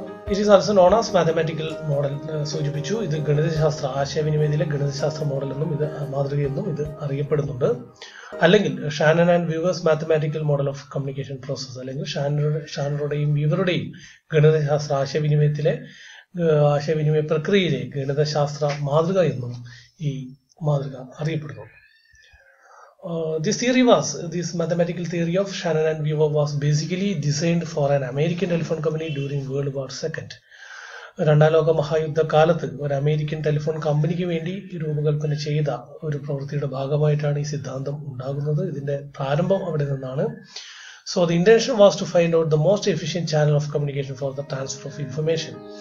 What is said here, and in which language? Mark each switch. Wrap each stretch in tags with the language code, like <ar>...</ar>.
<en>it is also known as mathematical model</en> <ml>സൂചിപ്പിച്ചു. ഇത് ഗണിതശാസ്ത്ര ആശയവിനിമയത്തിലെ ഗണിതശാസ്ത്ര മോഡൽ എന്നും ഇത് മാതൃകയെന്നും ഇത് അറിയപ്പെടുന്നുണ്ട്. അല്ലെങ്കിൽ</ml> <en>Shannon and Weaver's mathematical model of communication process,</en> <ml>അല്ലെങ്കിൽ ഷാനറുടെയും വ്യൂവറുടെയും ഗണിതശാസ്ത്ര ആശയവിനിമയത്തിലെ ആശയവിനിമയ പ്രക്രിയയിലെ ഗണിതശാസ്ത്ര മാതൃക എന്നും ഈ മാതൃക അറിയപ്പെടുന്നു.</ml> <en>This mathematical theory of Shannon and Weaver was basically designed for an American telephone company during World War II.</en> <ml>രണ്ടാം ലോക മഹായുദ്ധ കാലത്ത് ഒരു അമേരിക്കൻ ടെലിഫോൺ കമ്പനിക്ക് വേണ്ടി രൂപകൽപ്പന ചെയ്ത ഒരു പ്രവൃത്തിയുടെ ഭാഗമായിട്ടാണ് ഈ സിദ്ധാന്തം ഉണ്ടാകുന്നത്. ഇതിൻ്റെ പ്രാരംഭം അവിടെ നിന്നാണ്.</ml> <en>So the intention was to find out the most efficient channel of communication for the transfer of information.</en>